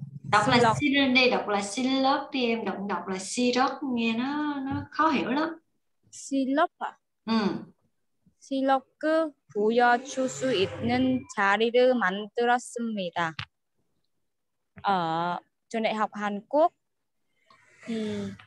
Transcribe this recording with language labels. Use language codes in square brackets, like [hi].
[vi] Đọc là silok đi, đọc là silok đi em, đọc là silok nghe nó khó hiểu lắm. Silok à? Ừ. [ko] Silok을 보여줄 수 있는 자리를 만들었습니다. [vi] Trường đại học Hàn Quốc thì